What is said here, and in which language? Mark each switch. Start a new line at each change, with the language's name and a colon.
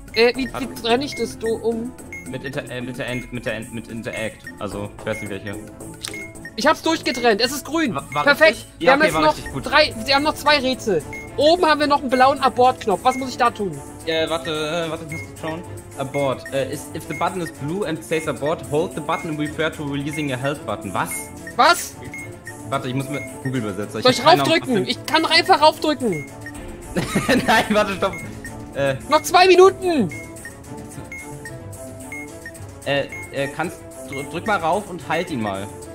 German: Wie trenne ich das um? Mit Interact, also ich weiß nicht welche. Ich hab's durchgetrennt, es ist grün. War perfekt, ja, wir haben okay, jetzt noch drei, sie haben noch 2 Rätsel. Oben haben wir noch einen blauen Abort-Knopf, was muss ich da tun? Warte, ich muss schauen. Abort.
English: If the button is blue and says abort, hold the button and refer to releasing a health button.
German: Was? Was? Warte, ich muss mir Google übersetzen. Soll ich raufdrücken? Ich kann doch einfach raufdrücken. Nein, warte, stopp. Noch 2 Minuten. Kannst drück mal rauf und halt ihn mal.